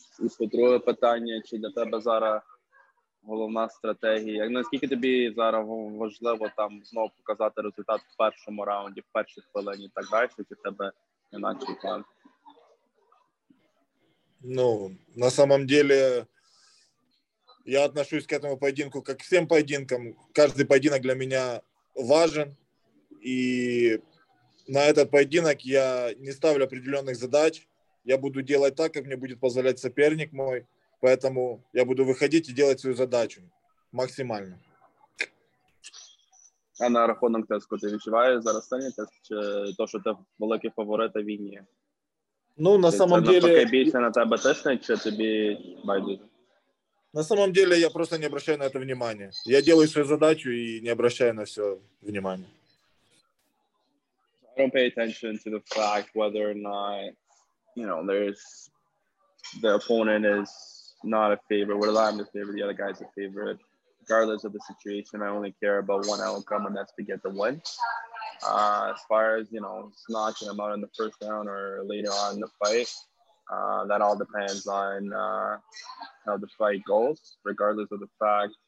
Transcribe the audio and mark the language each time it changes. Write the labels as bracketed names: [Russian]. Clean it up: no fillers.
[Ukrainian] І по-друге питання, чи для тебе зараз головна стратегія? Наскільки тобі зараз важливо там знову показати результат в першому раунді, в першій хвилині і так далі, чи в тебе інакший план? [Russian] Ну, на самом деле, я отношусь к этому поединку как к всем поединкам. Каждый поединок для меня важен. И на этот поединок я не ставлю определенных задач. Я буду делать так, как мне будет позволять соперник мой. Поэтому я буду выходить и делать свою задачу максимально. [Ukrainian] А на рахунок теску ты відчуваєш зараз стані теск, чи то, що ти великий фаворит у війні? [Russian] Ну, на самом деле... [Ukrainian] Це навпаки більше на тебе тисне, чи тобі байдуже? [Russian] На самом деле, я просто не обращаю на это внимания. Я делаю свою задачу и не обращаю на все внимания. [English] I don't pay attention to the fact whether or not, the opponent is not a favorite, whether I'm the favorite, the other guy's a favorite. Regardless of the situation, I only care about one outcome, and that's to get the win. As far as, knocking him out in the first round or later on in the fight, that all depends on how the fight goes, regardless of the fact